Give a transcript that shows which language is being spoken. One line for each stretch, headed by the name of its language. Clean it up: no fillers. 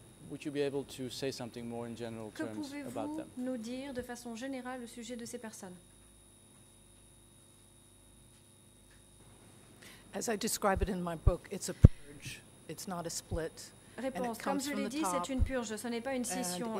English: Would you be able to say something more in general terms about them?
French: Que pouvez-vous nous dire de façon générale au sujet de ces personnes?
English: As I describe it in my book, it's a purge. It's not a split.
French: Réponse. Comme je l'ai dit, c'est une purge, ce n'est pas une scission.